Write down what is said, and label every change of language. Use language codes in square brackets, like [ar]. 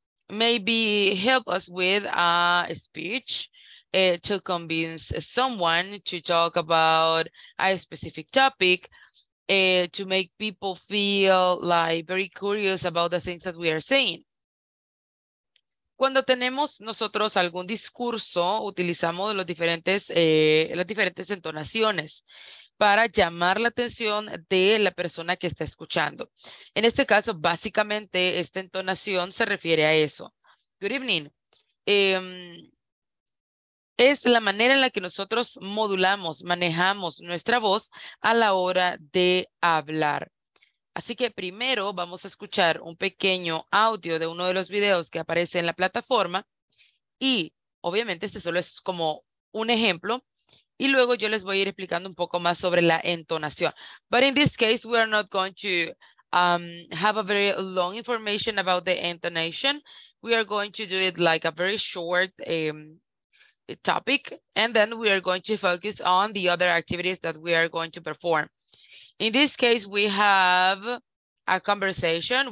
[en] maybe help us with a speech to convince someone to talk about a specific topic, to make people feel like very curious about the things that we are saying. [es] Cuando tenemos nosotros algún discurso, utilizamos las diferentes entonaciones para llamar la atención de la persona que está escuchando. En este caso, básicamente, esta entonación se refiere a eso. [en] Good evening. [es] Es la manera en la que nosotros modulamos, manejamos nuestra voz a la hora de hablar. Así que primero vamos a escuchar un pequeño audio de uno de los videos que aparece en la plataforma. Y obviamente este solo es como un ejemplo. Y luego yo les voy a ir explicando un poco más sobre la entonación. [en] But in this case, we are not going to have a very long information about the intonation. We are going to do it like a very short topic, and then we are going to focus on the other activities that we are going to perform. In this case, we have a conversation.